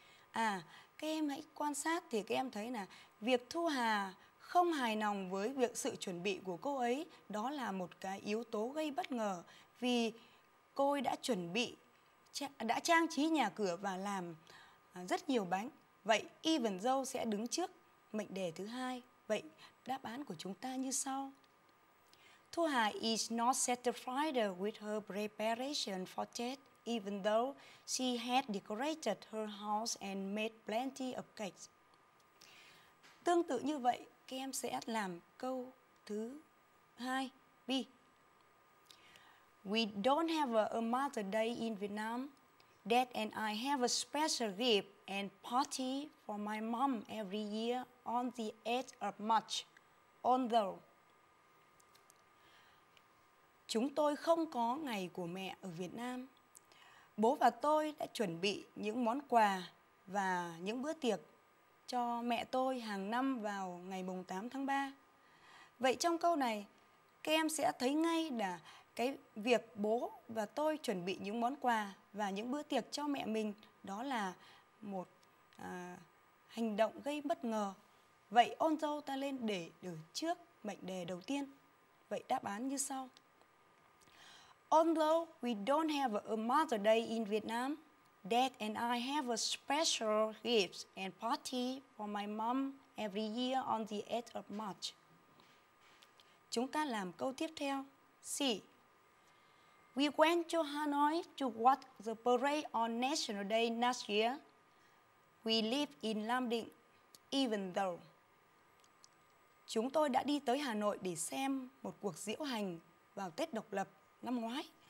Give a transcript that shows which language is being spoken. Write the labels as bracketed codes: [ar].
[vi] À, các em hãy quan sát thì các em thấy là việc Thu Hà không hài lòng với việc sự chuẩn bị của cô ấy đó là một cái yếu tố gây bất ngờ vì cô ấy đã chuẩn bị, đã trang trí nhà cửa và làm rất nhiều bánh. Vậy even though sẽ đứng trước mệnh đề thứ hai. Vậy đáp án của chúng ta như sau. [en] Thu Hà is not satisfied with her preparation for Tết, even though she had decorated her house and made plenty of cakes. [vi] Tương tự như vậy, các em sẽ làm câu thứ hai. B. [en] We don't have a Mother's Day in Vietnam. Dad and I have a special gift and party for my mom every year on the 8th of March. Although. [vi] Chúng tôi không có ngày của mẹ ở Việt Nam. Bố và tôi đã chuẩn bị những món quà và những bữa tiệc cho mẹ tôi hàng năm vào ngày 8 tháng 3. Vậy trong câu này, các em sẽ thấy ngay là cái việc bố và tôi chuẩn bị những món quà và những bữa tiệc cho mẹ mình đó là một hành động gây bất ngờ. Vậy ôn dâu ta lên để được trước mệnh đề đầu tiên. Vậy đáp án như sau. [en] Although we don't have a Mother's Day in Vietnam, Dad and I have a special gift and party for my mom every year on the 8th of March. [vi] Chúng ta làm câu tiếp theo. [en] C. We went to Hanoi to watch the parade on National Day last year. We live in Lam Định, even though. [vi] Chúng tôi đã đi tới Hà Nội để xem một cuộc diễu hành vào Tết Độc Lập năm ngoái.